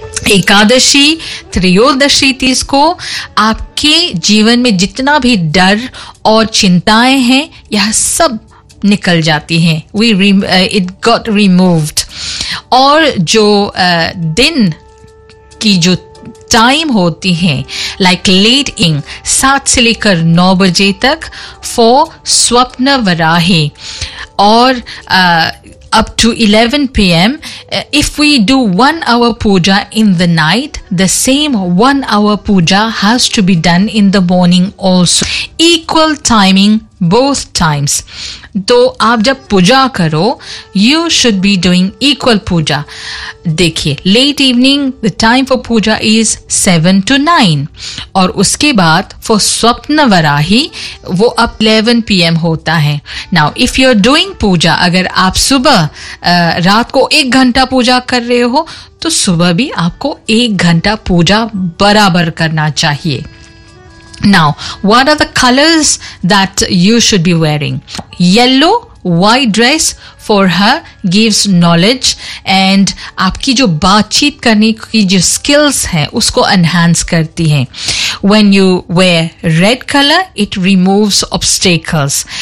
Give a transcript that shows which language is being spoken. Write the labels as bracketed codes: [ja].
[hi] एकादशी त्रयोदशी तिथि को आपके जीवन में जितना भी डर और चिंताएं हैं यह सब निकल जाती हैं [en] it got removed [hi] और जो दिन की जो टाइम होती है [en] like late in [hi] 7 से लेकर 9 बजे तक फॉर स्वप्न वराही और [en] up to 11 p.m. If we do 1 hour puja in the night, the same 1 hour puja has to be done in the morning also. Equal timing both times. [hi] तो आप जब पूजा करो, [en] you should be doing equal puja. देखिए, late evening the time for puja is 7 to 9, [hi] और उसके बाद [en] for Swapna Varahi वो up 11 p.m. होता है. Now if you are doing puja, [hi] अगर आप सुबह रात को एक घंटा पूजा कर रहे हो, तो सुबह भी आपको एक घंटा पूजा बराबर करना चाहिए. [en] Now, what are the colors that you should be wearing? Yellow, white dress for her gives knowledge and [hi] आपकी जो बातचीत करने की जो skills हैं उसको enhance करती हैं. [en] When you wear red color, it removes obstacles.